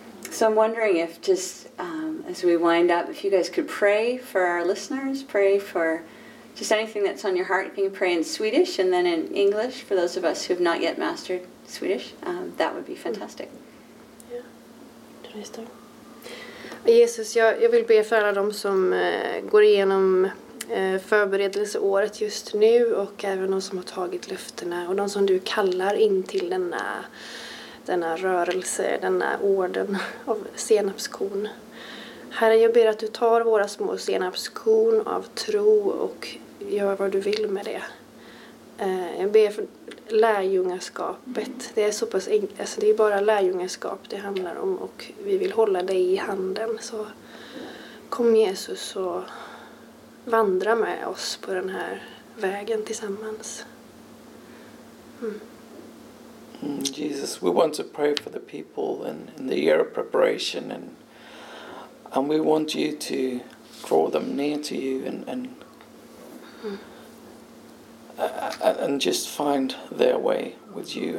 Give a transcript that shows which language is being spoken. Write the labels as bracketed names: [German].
[English] So I'm wondering if just as we wind up, if you guys could pray for our listeners, pray for just anything that's on your heart. If you can pray in Swedish and then in English for those of us who have not yet mastered Swedish, that would be fantastic. Yeah. [Swedish] Jesus, jag vill be för alla de som går igenom förberedelseåret just nu, och även de som har tagit löftena och de som du kallar in till denna rörelse, denna orden av senapskorn. Herre, jag ber att du tar våra små senapskorn av tro och gör vad du vill med det. Jag ber för lärjungaskapet. Det är så pass alltså det är bara lärjungaskap det handlar om, och vi vill hålla dig i handen. Så kom Jesus och vandra med oss på den här vägen tillsammans. [English] Jesus, we want to pray for the people in the year of preparation, and we want you to draw them near to you and just find their way with you.